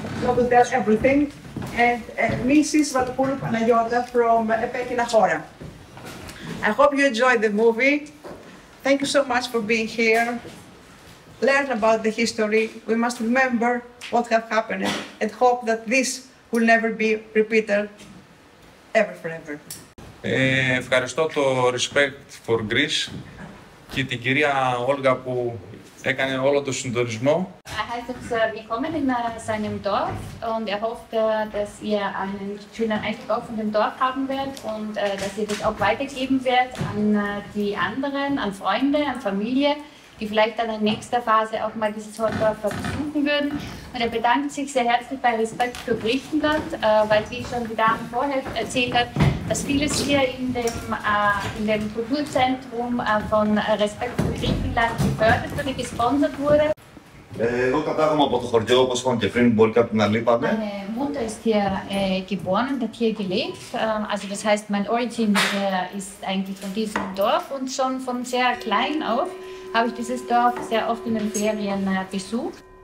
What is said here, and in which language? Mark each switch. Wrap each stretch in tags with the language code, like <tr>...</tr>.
<en>Not to tell everything. And Mrs. Valpourou Panayota from Epekeina Hora. I hope you enjoyed the movie. Thank you so much for being here. Learn about the history. We must remember what has happened and hope that this will never be repeated ever forever.</en> <el>Ευχαριστώ το Respect for Greece και την κυρία Όλγα που έκανε όλο το συντονισμό.</el> <de>I heiße Sie willkommen in seinem Dorf und er hofft, dass ihr einen schönen Eindruck von dem Dorf haben werdet und dass ihr das auch weitergeben werdet an die anderen, an Freunde, an Familie, die vielleicht dann in nächster Phase auch mal dieses Dorf besuchen würden. Und er bedankt sich sehr herzlich bei Respekt für Griechenland, weil, wie schon die Dame vorher erzählt hat, dass vieles hier in dem Kulturzentrum von Respekt für Griechenland gefördert wurde, gesponsert wurde.</de> <el>Εγώ κατάγομαι από το χωριό, όπως είπαμε και πριν, μπορεί κάποιοι να λείπανε.</el> <de>Meine Mutter ist hier geboren, hat hier gelebt. Also das heißt, mein Origin ist eigentlich von diesem Dorf und schon von sehr klein auf habe ich dieses Dorf sehr oft in den Ferien besucht.</de>